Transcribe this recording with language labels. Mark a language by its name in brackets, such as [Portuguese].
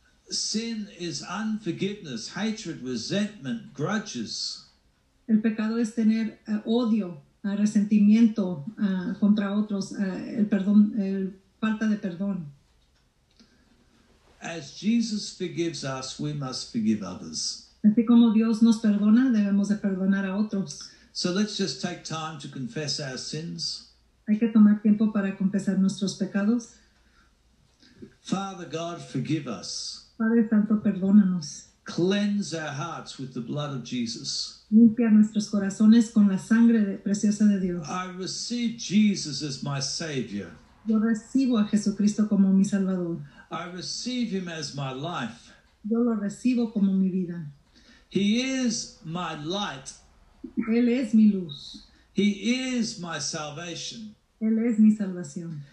[English] Sin is unforgiveness, hatred, resentment, grudges. [Spanish] El pecado es tener odio, resentimiento contra otros, el perdón, el falta de perdón. [English] As Jesus forgives us, we must forgive others. [Spanish] Así como Dios nos perdona, debemos de perdonar a otros. [English] So let's just take time to confess our sins. [Spanish] Hay que tomar tiempo para confesar nuestros pecados. [English] Father God, forgive us. [Spanish] Padre Santo, perdónanos. [English] Cleanse our hearts with the blood of Jesus. [Spanish] Limpia nuestros corazones con la sangre preciosa de Dios. [English] I receive Jesus as my Savior. [Spanish] Yo recibo a Jesucristo como mi Salvador. [English] I receive him as my life. [Spanish] Yo lo recibo como mi vida. [English] He is my light. [Spanish] Él es mi luz. [English] He is my salvation. [Spanish] Él es mi salvación.